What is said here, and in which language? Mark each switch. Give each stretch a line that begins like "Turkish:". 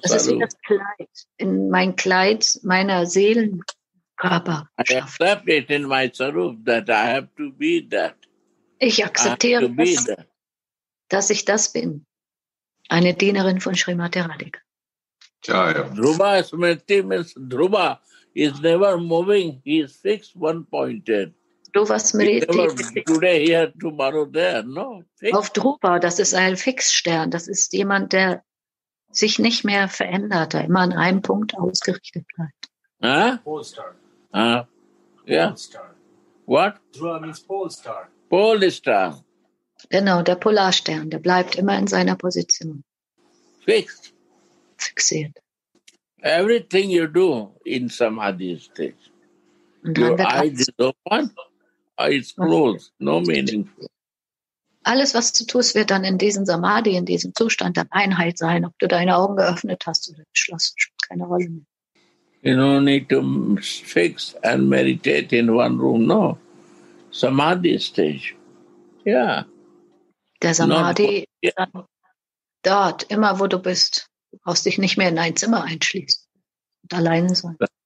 German: Das ist wie das Kleid, in mein Kleid meiner Seelenkörper.
English: I accept it in my sarup that I have to be that.
German: Ich akzeptiere das, dass ich das bin. Eine Dienerin von Srimati Radhika.
English: Dhruva Smriti means Dhruva is never moving. He is fixed, one-pointed. Dhruva Smriti. Today here, tomorrow there. No.
German: Fixed. Auf Dhruva, das ist ein Fixstern. Das ist jemand, der sich nicht mehr verändert, der immer an einem Punkt ausgerichtet bleibt. Huh?
English: Polestar. Yeah. Polestar. What? Dhruva means Polestar. Polestar.
German: Genau, der Polarstern, der bleibt immer in seiner Position.
English: Fixed.
German: Fixiert.
English: Everything you do in Samadhi stage. Your eyes is open, eyes closed, no meaning.
German: Alles, was du tust, wird dann in diesem Samadhi, in diesem Zustand, dann Einheit sein, ob du deine Augen geöffnet hast oder geschlossen, spielt keine Rolle mehr.
English: you know, need to fix and meditate in one room. No, samadhi stage. Yeah.
German: Der Samadhi ist dann dort, immer wo du bist. Du brauchst dich nicht mehr in ein Zimmer einschließen und allein sein.